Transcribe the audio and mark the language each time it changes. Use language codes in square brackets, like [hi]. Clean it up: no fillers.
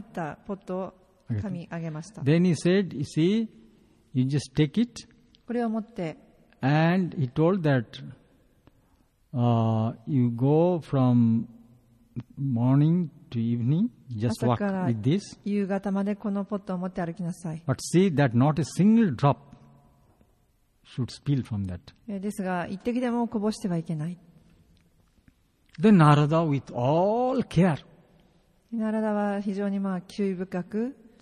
[ja] オイルがいっぱい入った油の入ったポットを神あげました。 [en] Then he said, you see, you just take it. [ja] これを持って。 [en] And he told that you go from morning to evening, just walk with this. [ja] 夕方までこのポットを持って歩きなさい。 [en] But see that not a single drop should spill from that. [ja] ですが一滴でもこぼしてはいけない。 [en] Then Narada, with all care, [ja] ナラダは非常に注意深く